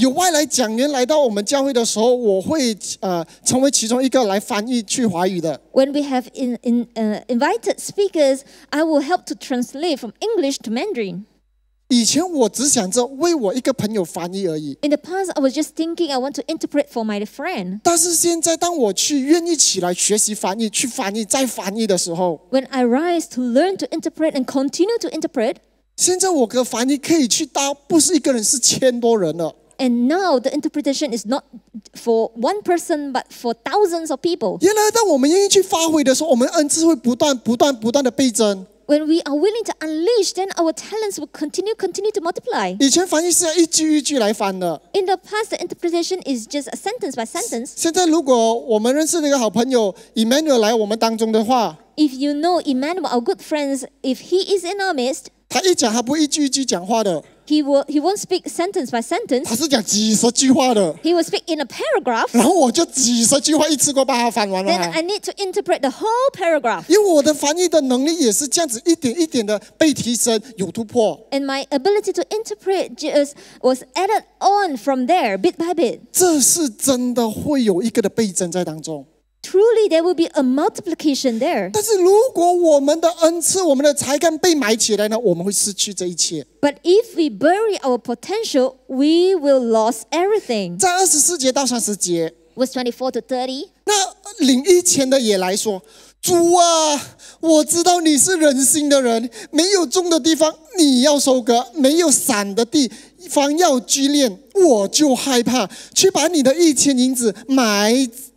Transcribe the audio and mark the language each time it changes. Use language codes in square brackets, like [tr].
[zh] 有外来讲员来到我们教会的时候, 我会, 成为其中一个来翻译去华语的。 [en] When we have invited speakers, I will help to translate from English to Mandarin. [zh] 以前我只想着为我一个朋友翻译而已。 [en] In the past, I was just thinking I want to interpret for my friend. [zh] 但是现在，当我去愿意起来学习翻译，去翻译再翻译的时候 [en] ，When I rise to learn to interpret and continue to interpret， [zh] 现在我的翻译可以去到不是一个人，是千多人了。 [en] And now the interpretation is not for one person, but for thousands of people. [zh] 原来当我们愿意去发挥的时候，我们恩赐会不断、不断、不断的倍增。 [en] When we are willing to unleash, then our talents will continue to multiply. [zh] 以前翻译是要一句一句来翻的。 [en] In the past, the interpretation is just a sentence by sentence. [zh] 现在如果我们认识了一个好朋友 Emmanuel 来我们当中的话 [en] ，If you know Emmanuel, our good friends, if he is in our midst, [zh] 他一讲他不一句一句讲话的。 [en] He won't speak sentence by sentence. [zh] 他是讲几十句话的。 [en] He will speak in a paragraph. [zh] 然后我就几十句话一次过把它翻完了。 [en] Then I need to interpret the whole paragraph. [zh] 因为我的翻译的能力也是这样子一点一点的被提升，有突破。 [en] And my ability to interpret just was added on from there, bit by bit. [zh] 这是真的会有一个的倍增在当中。 [en] Truly, there will be a multiplication there. [zh] 但是如果我们的恩赐、我们的才干被埋起来呢，我们会失去这一切。 [en] But if we bury our potential, we will lose everything. [zh] 在二十四节到三十节 [en] ，verse 24 to 30. [zh] 那领一千的也来说，主啊，我知道你是人心的人，没有种的地方你要收割，没有散的地方要聚敛，我就害怕，去把你的一千银子埋。